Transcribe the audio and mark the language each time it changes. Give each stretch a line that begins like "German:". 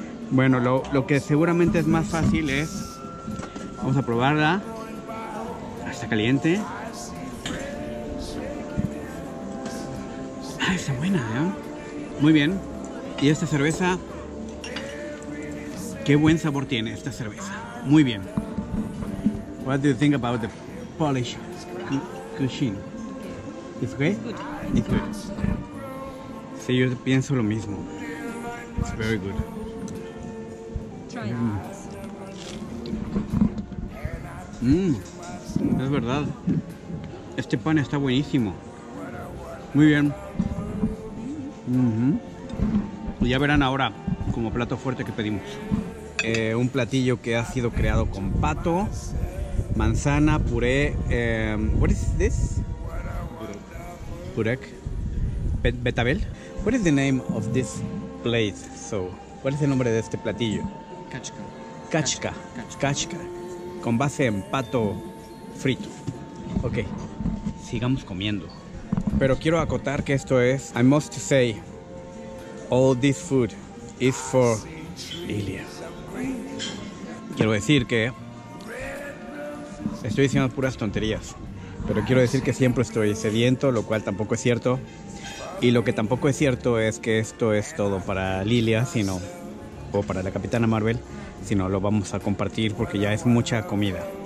Spanish: Bueno, lo que seguramente es más fácil es, vamos a probarla. Está caliente. Ah, está buena, ¿eh? Muy bien. Y esta cerveza, qué buen sabor tiene esta cerveza. Muy bien.
English: What do you think about the Polish cuisine? It's good. It's good.
Spanish: Sí, yo pienso lo mismo.
English: It's very good.
Spanish: Mmm. Mmm. Es verdad. Este pan está buenísimo. Muy bien. Uh-huh. Ya verán ahora como plato fuerte que pedimos. Un platillo que ha sido creado con pato, manzana, puré.
English: What is this? Purek. Betabel. What is the name of this plate?
Spanish: So, ¿cuál es el nombre de este platillo? Kachka. Kachka. Kachka. Con base en pato frito. Ok. Sigamos comiendo. Pero quiero acotar que esto es...
English: I must say, all this food is for Ilya.
Spanish: Quiero decir que... Estoy diciendo puras tonterías. Pero quiero decir que siempre estoy sediento, lo cual tampoco es cierto. Y lo que tampoco es cierto es que esto es todo para Lilia, sino, o para la Capitana Marvel, sino lo vamos a compartir porque ya es mucha comida.